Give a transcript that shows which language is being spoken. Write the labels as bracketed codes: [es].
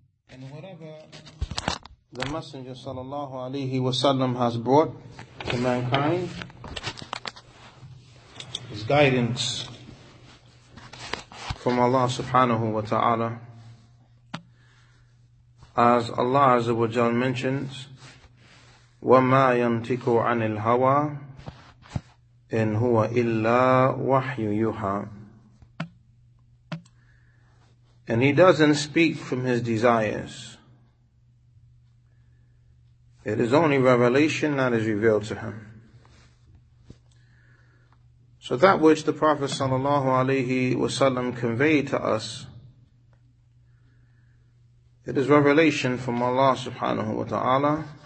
[en] And whatever the Messenger sallallahu alayhi wa sallam has brought to mankind is guidance from Allah subhanahu wa ta'ala. As Allah Azza wa Jal mentions, [ar] وَمَا يَنْتِكُ عَنِ الْهَوَىٰ إِنْ هُوَ إِلَّا وَحْيُ يُوحَىٰ. [en] And he doesn't speak from his desires. It is only revelation that is revealed to him. So that which the Prophet sallallahu alayhi wa sallam conveyed to us, it is revelation from Allah subhanahu wa ta'ala,